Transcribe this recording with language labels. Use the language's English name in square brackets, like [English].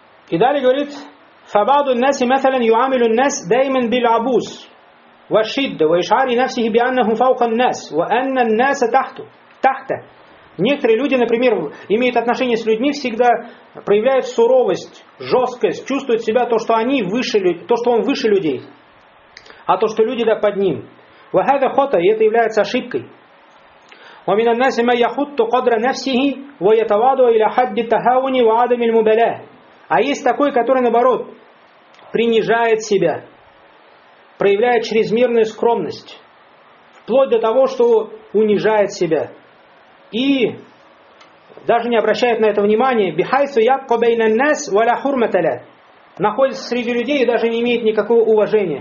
[Arabic] И далее говорит: فبعض الناس مثلا يعامل الناس دائما بالعبوس والشدة وإشعار نفسه بأنه فوق الناس وأن الناس تحته. [Russian] Некоторые люди, например, имеют отношения с людьми, всегда проявляют суровость, жесткость, чувствуют себя то, что они выше, то, что он выше людей, а то, что люди да под ним. وهذا خطأ, и это является ошибкой. [Arabic] ومن الناس ما يخط قدر نفسه ويتواضع إلى حد التهاون وعدم المبالاة. [Russian] А есть такой, который, наоборот, принижает себя, проявляет чрезмерную скромность, вплоть до того, что унижает себя. И даже не обращает на это внимания. Бихайсу ябко бейна нас валя хурматаля. Находится среди людей и даже не имеет никакого уважения.